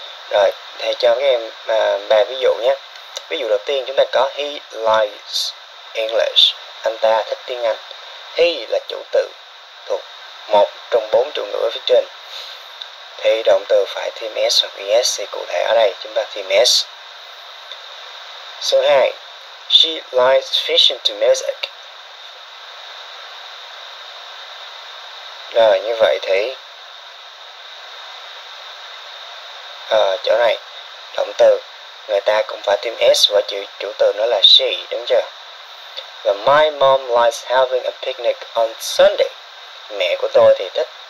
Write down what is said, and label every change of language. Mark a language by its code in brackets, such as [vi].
[vi] Rồi thầy cho các em bài ví dụ nhé. Ví dụ đầu tiên chúng ta có [en] he likes English, [vi] anh ta thích tiếng Anh. He là chủ từ thuộc một trong bốn chủ ngữ ở phía trên thì động từ phải thêm s hoặc es. Thì cụ thể ở đây chúng ta thêm s. Số 2, [en] she likes fishing to music. [vi] Rồi như vậy thì chỗ này động từ người ta cũng phải thêm s và chủ từ nó là she, đúng chưa? [en] Và my mom likes having a picnic on Sunday. [vi] Mẹ của tôi thì thích